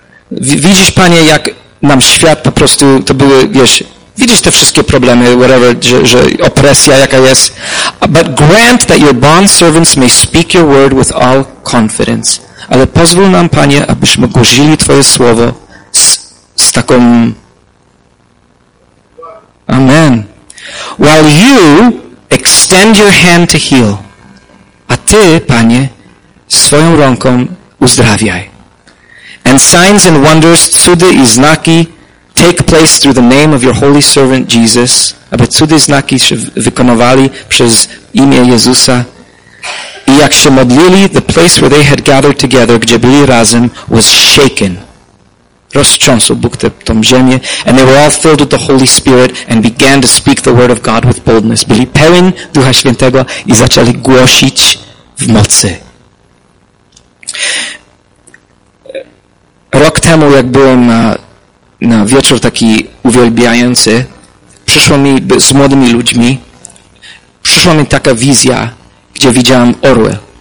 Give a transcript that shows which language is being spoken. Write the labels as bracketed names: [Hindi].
[Polish] Widzisz, Panie, jak nam świat po prostu, to były, wiesz, widzisz te wszystkie problemy, whatever, że opresja jaka jest. [English] But grant that your bond servants may speak your word with all confidence. [Polish] Ale pozwól nam, Panie, abyśmy głosili Twoje słowo z taką... Amen. [English] While you extend your hand to heal. [Polish] A Ty, Panie, swoją ręką uzdrawiaj. [English] And signs and wonders, [Polish] cudy i znaki, [English] take place through the name of your holy servant Jesus. [Polish] Aby cudy i znaki się wykonywali przez imię Jezusa. I jak się modlili, [English] the place where they had gathered together, [Polish] gdzie byli razem, [English] was shaken. [Polish] Roztrząsł Bóg tą ziemię. [English] And they were all filled with the Holy Spirit and began to speak the word of God with boldness. [Polish] Byli pełni Ducha Świętego i zaczęli głosić w mocy. Rok temu, jak byłem na wieczór taki uwielbiający, przyszło mi z młodymi ludźmi, przyszła mi taka wizja, gdzie widziałem orły.